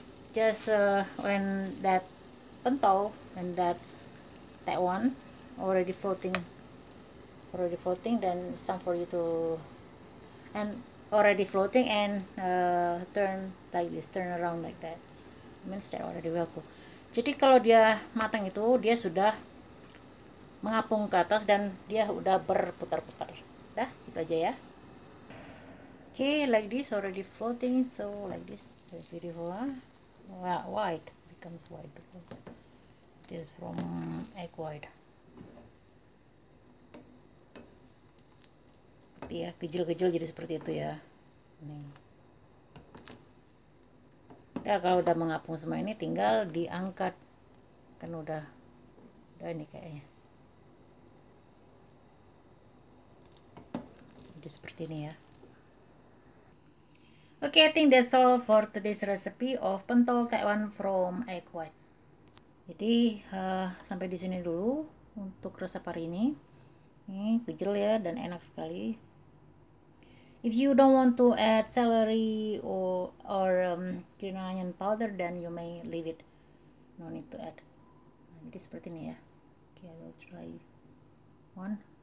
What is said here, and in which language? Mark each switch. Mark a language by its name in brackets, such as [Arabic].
[English] Just when that pentol and that tekwan already floating, then it's time for you to and already floating and turn like this, turn around like that. Means that already well cooked. [Indonesian] Jadi kalau dia matang itu dia sudah mengapung ke atas dan dia udah berputar-putar. Dah, itu aja ya. [English] Okay, like this already floating, so like this beautiful, white becomes white because it is from egg white. [Indonesian] Seperti ya, kecil-kecil jadi seperti itu ya. Nih. Ya, kalau udah mengapung semua ini tinggal diangkat. Kan udah ini kayaknya. Jadi seperti ini ya. [English] Okay, I think that's all for today's recipe of pentol Taiwan from egg white. [Indonesian] Jadi sampai di sini dulu untuk resep hari ini. Ini kejel ya dan enak sekali. [English] If you don't want to add celery or green onion powder, then you may leave it. No need to add. [Indonesian] Nah, jadi seperti ini ya. [English] Okay, I will try one.